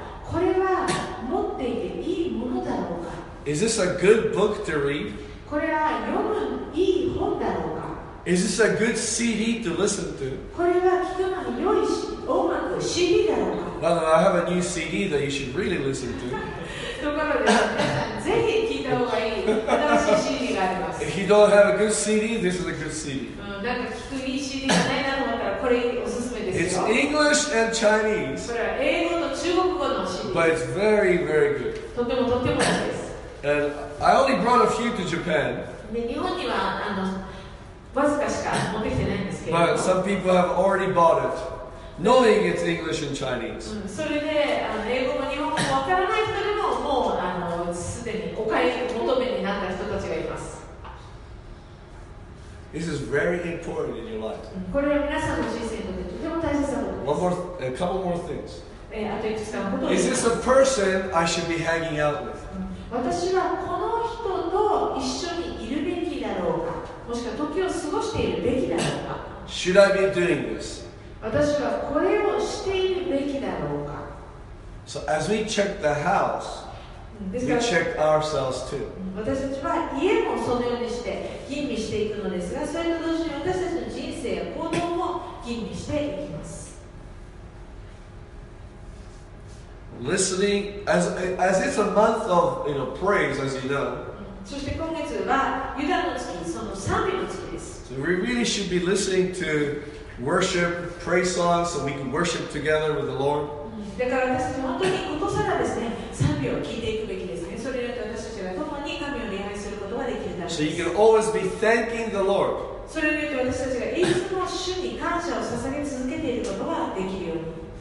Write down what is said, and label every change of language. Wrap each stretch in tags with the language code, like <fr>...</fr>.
<ja>これは持っていていいものだろうか?</ja> <en>Is this a good book to read?</en> <ja>これは読むいい本だろうか?</ja> <en>Is this a good CD to listen to?</en> <ja>これは聞くのよい音楽 CD だろうか?</ja> <en>Now that I have a new CD that you should really listen to.</en> <ja>ところで、ぜひ聞いた方がいい新しい CD があります。</ja> <en>If you don't have a good CD, this is a good CD.</en> <ja>なんか聞くいい CD がないなと思ったらこれおすすめですよ。</ja> <en>It's English and Chinese.</en> <ja>それは英語と中国語の CD。</ja> <en>But it's very, very good.</en> <ja>とてもとてもいいです。</ja> <en>And I only brought a few to Japan.</en> <ja>で、日本にはわずかしか持ってきてないんですけど。</ja> <en>But some people have already bought it, knowing it's English and Chinese.</en> <ja>それで、英語も日本語もわからない人でももうすでにお買い求めになった人たちがいます。</ja> <en>This is very important in your life.</en> <ja>これは皆さんの人生にとってとても大切なことです。</ja> <en>One more, a couple more things.</en> <ja>あと</ja> <en>Is this a person I should be hanging out with?</en> <ja>私はこの人と一緒にいるべきだろうか、もしくは時を過ごしているべきだろうか。</ja> <en>Should I be doing this?</en> <ja>私はこれをしているべきだろうか。</ja> <en>So as we check the house, we check ourselves too.</en> <ja>私たちは家もそのようにして吟味していくのですが、それと同時に私たちの人生や行動も吟味していきます。</ja> <en>Listening as it's a month of you know praise as you know.</en> <ja>そして今月はユダの月、その賛美の月です。</ja> <en>So we really should be listening to worship, praise songs, so we can worship together with the Lord.</en> <ja>だから私たち本当にことさらですね、賛美を聞いていくべきですね。それによって私たちが共に神を礼拝することができるためです。</ja> <en>So you can always be thanking the Lord.</en> <ja>それによって私たちがいつも主に感謝を捧げ続けていることができるように。</ja>